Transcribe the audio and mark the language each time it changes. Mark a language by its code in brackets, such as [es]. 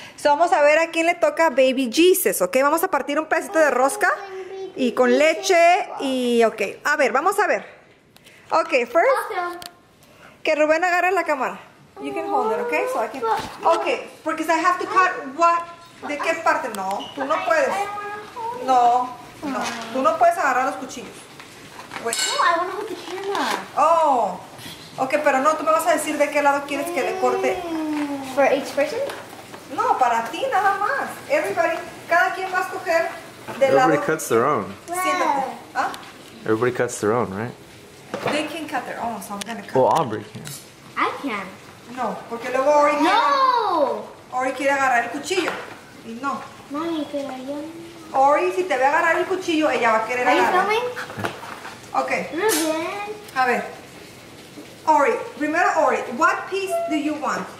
[es] So vamos a ver a quién le toca baby Jesus, ¿ok? Vamos a partir un pedacito de rosca y con leche y, ok. A ver, vamos a ver. [en] Ok, first. [es] Que Rubén agarre la cámara. [en] You can hold it, ¿ok? So I can. Ok, porque I have to cut what? [es] ¿De qué parte? No, tú no puedes. No, no. Tú no puedes agarrar los cuchillos. [en] Wait. No, I want to hold the camera. Oh. [es] Ok, pero no, tú me vas a decir de qué lado quieres que le corte. [en] For each person? [es] No, para ti nada más. [en] Everybody, [es] cada quien va a escoger del lado. [en] Everybody cuts their own. [es] Siéntate. ¿Ah? [en] Everybody cuts their own, right? They can cut their own, so I'm going to cut. Well, Aubrey can. I can. [es] No, porque luego Ori no. Ori quiere agarrar el cuchillo. No. Mami, pero yo. Ori, si te ve agarrar el cuchillo, ella va a querer agarrar. [en] Are you coming? Ok. Rubén. [es] A ver. [en] Ori, [es] primero [en] Ori, what piece do you want?